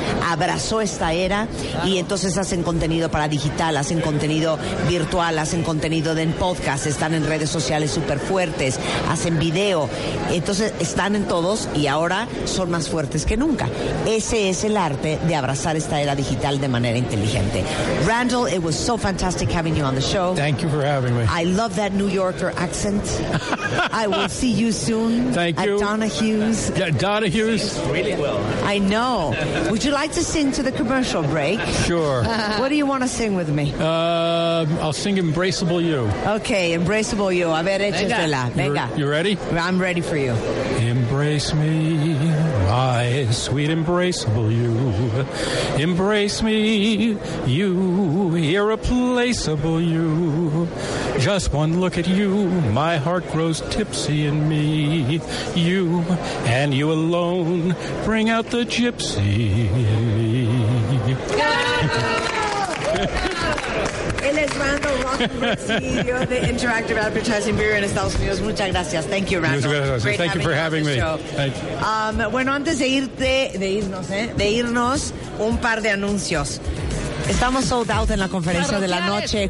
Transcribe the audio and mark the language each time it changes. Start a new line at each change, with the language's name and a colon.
Spanish: Abrazó esta era y entonces hacen contenido para digital, hacen contenido virtual, hacen contenido en podcast, están en redes sociales súper fuertes, hacen video. Entonces están en todos y ahora son más fuertes que nunca. Ese es el arte de abrazar esta era digital de manera inteligente.
English: Randall, it was so fantastic having you on the show. Thank you for having me. I love that New Yorker accent. I will see you soon. Thank you. Donahue's. Really well. I know. Would you like to sing to the commercial break? Sure. What do you want to sing with me? I'll sing Embraceable You.
Spanish: Okay, Embraceable You. A ver, échatela. Venga.
English: You ready? I'm ready for you. Embraceable. embrace me, my sweet embraceable you. Embrace me, you irreplaceable you. Just one look at you, my heart grows tipsy in me. You and you alone bring out the gypsy in me.
Spanish: Él es Randall Rothenberg, CEO de Interactive Advertising Bureau en Estados Unidos. Muchas gracias. Thank you, Randall.
English: Muchas gracias. Great. Thank you for having me. Thank
Spanish: you. Bueno, antes de irte, de irnos, un par de anuncios. Estamos sold out en la conferencia de la noche.